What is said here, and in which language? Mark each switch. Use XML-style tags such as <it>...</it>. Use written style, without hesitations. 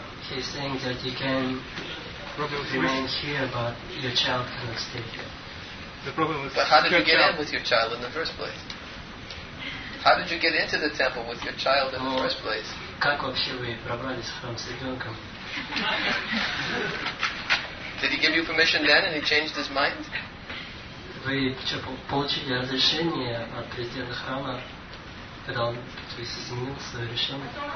<en>He's saying that you can remain here, but your child cannot stay here. The problem is, but how did you get in with your child in the first place? How did you get into the temple with your child in the first place?</en> <ru>Как вообще вы пробрались в храм с ребенком?</ru> <en>Did he give you permission then, and he changed his mind?</en> <ru>Вы что, получили разрешение от президента храма? Когда он изменил свое решение.</ru>